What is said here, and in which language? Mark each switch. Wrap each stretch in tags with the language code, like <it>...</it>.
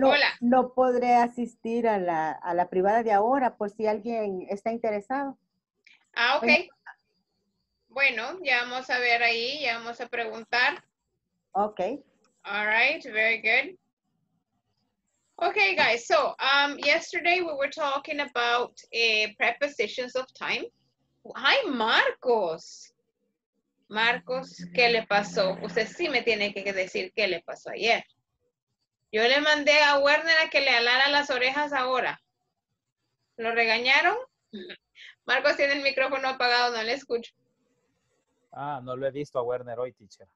<es>yo no podré asistir a la privada de ahora por si alguien está interesado. Ah, ok. Bueno, ya vamos a ver ahí, ya vamos a preguntar. Ok.</es> <en>All right, very good. Okay, guys. So yesterday we were talking about prepositions of time.</en> <es>Hi, Marcos. Marcos, ¿qué le pasó? Usted sí me tiene que decir qué le pasó ayer. Yo le mandé a Werner a que le alara las orejas ahora. ¿Lo regañaron? Marcos tiene el micrófono apagado, no le escucho. Ah, no lo he visto a Werner hoy, teacher.</es>